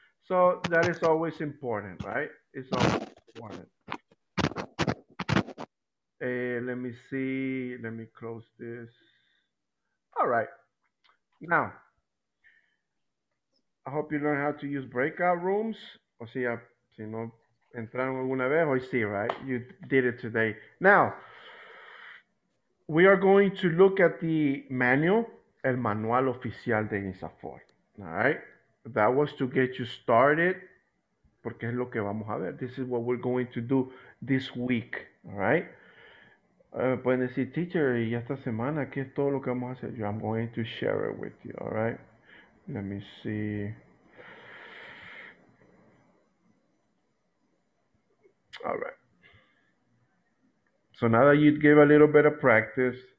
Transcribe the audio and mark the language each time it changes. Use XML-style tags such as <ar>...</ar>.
<en>So that is always important, right? It's always important. Let me close this. All right. Now, I hope you learn how to use breakout rooms.</en> <es>O sea, si no entraron alguna vez, hoy sí, right?</es> <en>You did it today. Now, we are going to look at the manual,</en> <es>el manual oficial de INSAFOR.</es> <en>All right? That was to get you started,</en> <es>porque es lo que vamos a ver.</es> <en>This is what we're going to do this week. All right?</en> <es>Pueden decir, teacher, y esta semana, ¿qué es todo lo que vamos a hacer?</es> <en>I'm going to share it with you. All right? Let me see. All right. So now that you gave a little bit of practice.</en>